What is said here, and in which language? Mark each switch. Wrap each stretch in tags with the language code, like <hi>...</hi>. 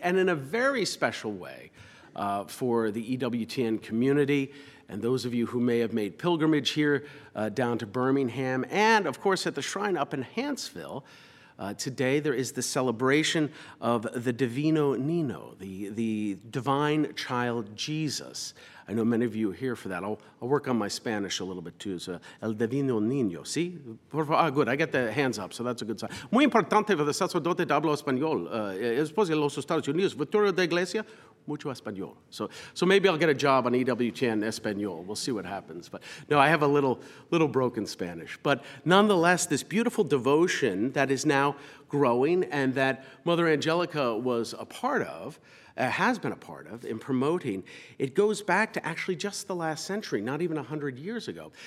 <en>And in a very special way for the EWTN community and those of you who may have made pilgrimage here down to Birmingham and, of course, at the shrine up in Hanceville, Today there is the celebration of the Divino Nino, the divine child Jesus. I know many of you are here for that. I'll work on my Spanish a little bit too. So, el Divino Niño, ¿sí? Good, I get the hands up, so that's a good sign.</en> <es>Muy importante para el sacerdote de habla español. Después de los Estados Unidos, futuro de iglesia, mucho español.</es> <en>So maybe I'll get a job on EWTN Español. We'll see what happens. But no, I have a little broken Spanish. But nonetheless, this beautiful devotion that is now growing and that Mother Angelica was a part of, has been a part of in promoting, it goes back to actually just the last century, not even 100 years ago.</en>